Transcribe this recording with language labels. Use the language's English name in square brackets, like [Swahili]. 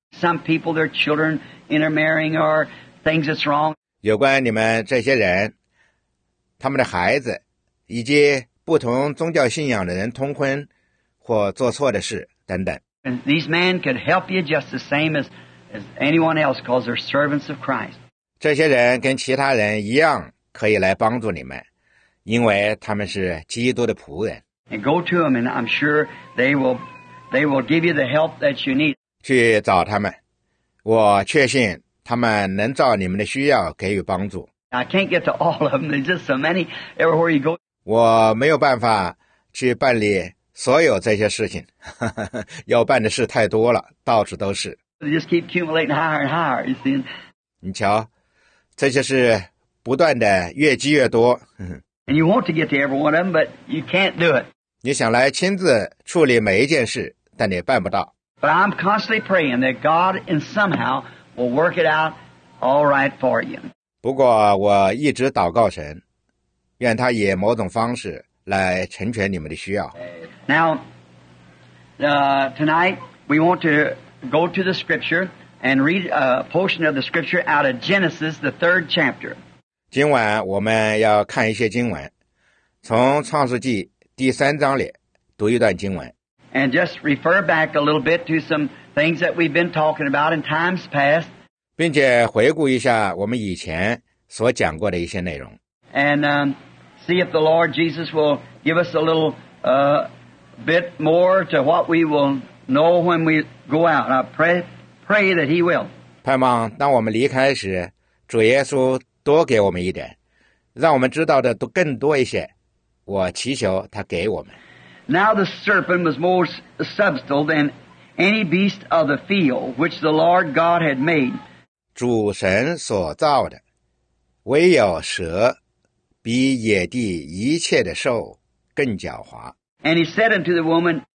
[English] Some people, their children intermarrying or things that's wrong. [Chinese] 有关你们这些人，他们的孩子，以及不同宗教信仰的人通婚或做错的事等等。 [English] And these men could help you just the same as anyone else, because they're servants of Christ. [Chinese] 这些人跟其他人一样可以来帮助你们，因为他们是基督的仆人。 [English] And go to them, and I'm sure they will give you the help that you need. [Chinese] 去找他们，我确信他们能照你们的需要给予帮助。 [English] I can't get to all of them. There's just so many everywhere you go. [Chinese] 我没有办法去办理所有这些事情，要办的事太多了，到处都是。 [English] They just keep accumulating higher and higher. You see? [Chinese] 你瞧，这些事不断的越积越多。 [English] And you want to get to every one of them, but you can't do it. [Chinese] 你想来亲自处理每一件事，但你办不到。 [English] But I'm constantly praying that God in somehow will work it out all right for you. [Chinese] 不过我一直祷告神，愿他以某种方式来成全你们的需要。 [English] Now, tonight we want to go to the scripture and read a portion of the scripture out of Genesis, the third chapter. [Chinese] 今晚我们要看一些经文，从创世纪第三章里读一段经文。 [English] And just refer back a little bit to some things that we've been talking about in times past. [Chinese] 并且回顾一下我们以前所讲过的一些内容。 [English] And see if the Lord Jesus will give us a little bit more to what we will know when we go out. I pray that he will. [Chinese] 盼望当我们离开时，主耶稣多给我们一点，让我们知道的都更多一些，我祈求他给我们。 [English] Now the serpent was more subtle than any beast of the field which the Lord God had made. [Chinese] 主神所造的，唯有蛇比野地一切的兽更狡猾。 [English] And he said unto the woman,